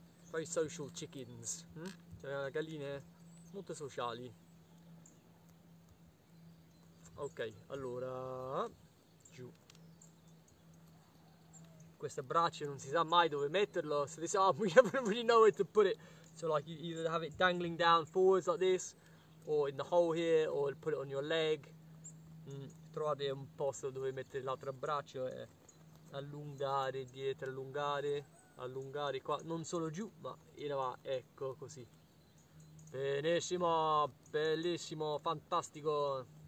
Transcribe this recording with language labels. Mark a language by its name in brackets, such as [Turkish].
[English] Very social chickens, [Italian] cioè galline molto sociali. Ok, allora giù. Queste braccia non si sa mai dove metterlo. [English] So this arm, we never really know where to put it. So like you either have it dangling down forwards like this, or in the hole here, or put it on your leg. [Italian] Trovate un posto dove mettere l'altro braccio e allungare dietro, allungare. Allungare qua, non solo giù, ma in avanti, ecco così. Benissimo, bellissimo, fantastico.